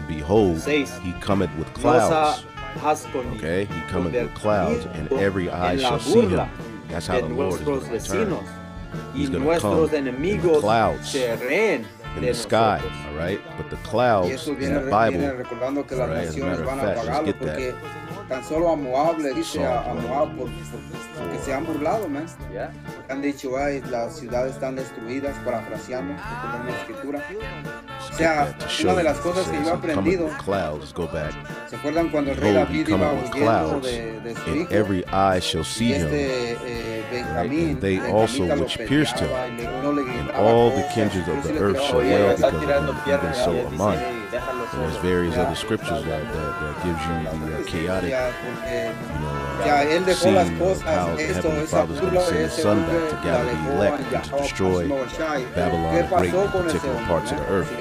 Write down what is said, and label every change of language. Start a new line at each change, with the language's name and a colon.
English: Behold, he cometh with clouds. Okay, he cometh with clouds, and every eye shall see him. That's how the Lord is going to return. He's going to come in the clouds, in the sky, all right? But the clouds in the Bible, all right, as a matter of fact, let's get that.
Spanish: Tan solo a Moab le dice a Moab porque se han burlado, man.
English: Yeah.
Spanish: Han dicho, ay, las ciudades están destruidas, parafraseando, como en la escritura. O sea, una de las cosas que yo he aprendido,
English: clouds, go back.
Spanish: ¿Se acuerdan cuando el rey David iba huyendo de su hijo?
English: Every eye shall see him. Right? And they also which pierced him, and all the kindreds of the earth shall wail because of him, even so are mine. And there's various other scriptures that gives you the chaotic, you know, scene of how the Heavenly Father's going to send his son back to gather the elect and to destroy Babylon the Great in particular parts of the earth.